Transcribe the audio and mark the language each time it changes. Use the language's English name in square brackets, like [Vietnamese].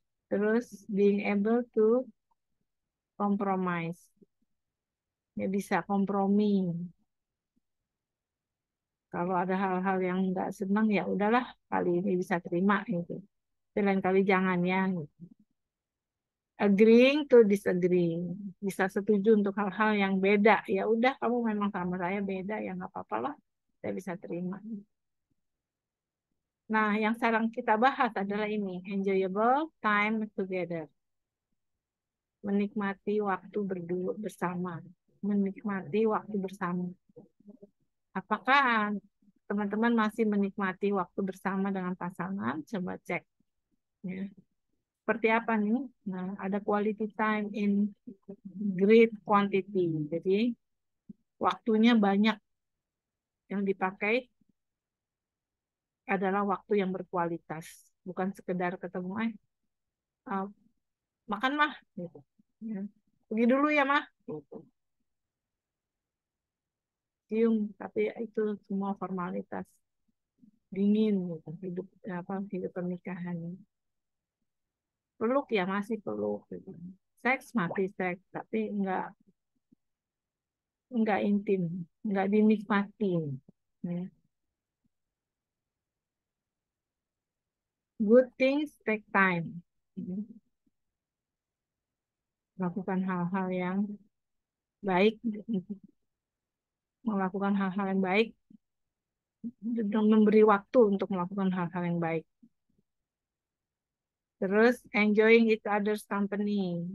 [English] Terus being able to compromise. [Indonesian] Ya bisa kompromi. Kalau ada hal-hal yang nggak senang ya udahlah kali ini bisa terima gitu. Lain kali jangan ya. Gitu. [English] Agreeing to disagreeing. [Indonesian] Bisa setuju untuk hal-hal yang beda. Ya udah kamu memang sama saya beda ya nggak apa-apa lah. Saya bisa terima. Nah, yang sekarang kita bahas adalah ini, [English] enjoyable time together. [Indonesian] Menikmati waktu berdua bersama. Menikmati waktu bersama. Apakah teman-teman masih menikmati waktu bersama dengan pasangan? Coba cek. Ya. Seperti apa nih? Nah, ada [English] quality time in great quantity. [Indonesian] Jadi, waktunya banyak yang dipakai adalah waktu yang berkualitas, bukan sekedar ketemu makan mah gitu. Ya. Pergi dulu ya mah gitu. Cium, tapi itu semua formalitas dingin gitu. Hidup apa hidup pernikahan peluk ya masih peluk gitu. Seks mati seks tapi enggak intim, enggak dinikmati. Ya. [English] Good things take time. [Indonesian] Lakukan hal-hal yang baik. Melakukan hal-hal yang baik. Dan memberi waktu untuk melakukan hal-hal yang baik. [English] Terus, enjoying each other's company.